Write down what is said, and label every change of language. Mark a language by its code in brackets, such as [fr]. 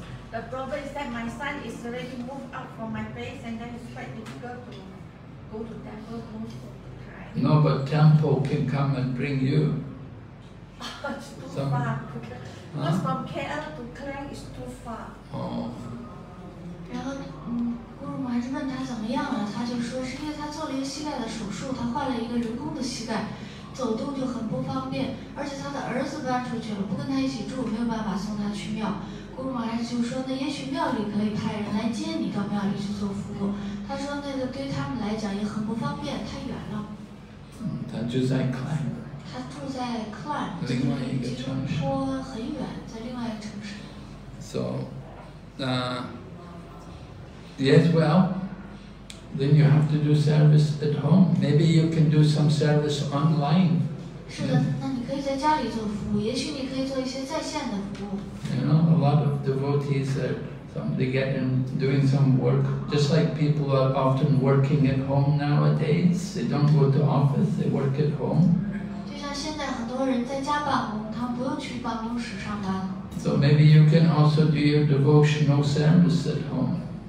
[en] The problem is that my son is already moved out from my place, and then it's quite difficult to go to temple most of the time. No, but temple can come and bring you. It's too far. Because from KL to Klang is too far. Oh. [zh] 然后，姑姑还是问他怎么样了，他就说是因为他做了一个膝盖的手术，他换了一个人工的膝盖，走动就很不方便，而且他的儿子搬出去了，不跟他一起住，没有办法送他去庙。姑姑还是就说，那也许庙里可以派人来接你到庙里去做服务。他说那个对他们来讲也很不方便，太远了。嗯，他就在 Klang。他住在 Klang，另外一个城市，说很远，在另外一个城市。 [en] So, Yes, well, then you have to do service at home. Maybe you can do some service online. [zh] 是的，那你可以在家里做服务，也许你可以做一些在线的服务。 [en] You know, a lot of devotees are they get in doing some work, just like people are often working at home nowadays. They don't go to office, they work at home. [zh] 就像现在很多人在家办公，他们不用去办公室上班。 [en] So maybe you can also do your devotional service at home.